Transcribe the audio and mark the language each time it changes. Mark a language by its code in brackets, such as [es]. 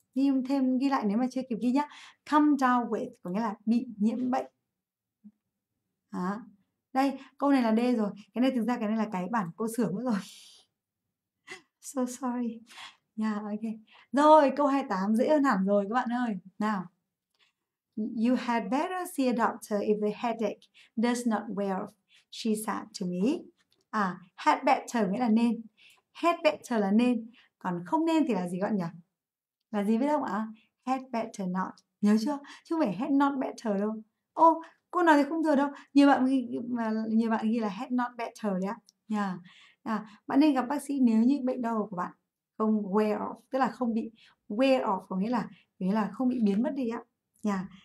[vi] Ghi thêm, ghi lại nếu mà chưa kịp ghi nhá. [en] Come down with [vi] có nghĩa là bị nhiễm bệnh. À, đây, câu này là D rồi. Cái này thực ra cái này là cái bản cô sửa mất rồi. [en] So sorry. Yeah, okay. [vi] Rồi, câu 28 dễ hơn hẳn rồi các bạn ơi. Nào. [en] You had better see a doctor if the headache does not wear off, she said to me. [vi] À, had better nghĩa là nên. Had better là nên. Còn không nên thì là gì các bạn nhỉ? Là gì biết không ạ? [en] Had better not. [vi] Nhớ chưa? Chứ không phải [en] had not better [vi] đâu. Ô, cô nói thì không thừa đâu. Nhiều bạn ghi là [en] had not better [vi] đấy ạ. Bạn nên gặp bác sĩ nếu như bệnh đau của bạn không wear off, tức là không bị wear off có nghĩa là không bị biến mất đi ạ.